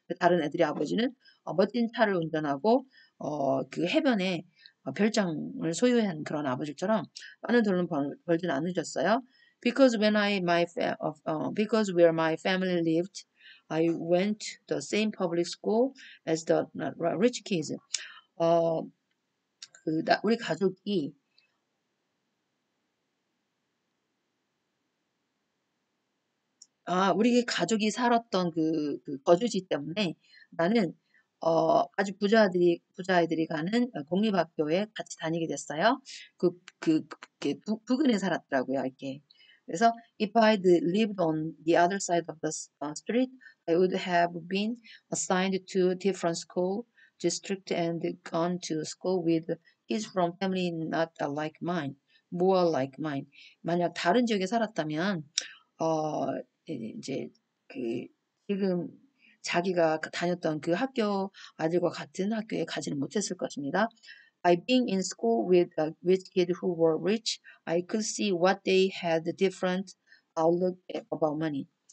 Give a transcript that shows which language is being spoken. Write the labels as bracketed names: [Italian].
[Korean] 다른 애들의 아버지는 멋진 차를 운전하고 그 해변에 별장을 소유한 그런 아버지처럼 많은 돈을 벌지는 않으셨어요. [English] Because when I my fa because where my family lived, I went to the same public school as the rich kids. [Korean] 우리 가족이 우리 가족이 살았던 그 거주지 때문에 나는 아주 부자아이들이 가는 공립학교에 같이 다니게 됐어요. 그 부근에 살았더라고요, 이렇게. 그래서 [English] if I'd lived on the other side of the street, I would have been assigned to different school district and gone to school with kids from family not like mine, more like mine. [Korean] 만약 다른 지역에 살았다면 이제 그 지금 자기가 다녔던 그 학교 아들과 같은 학교에 가지는 못했을 것입니다. [English] By being in school with a rich kid who were rich, I could see what they had different outlook about money.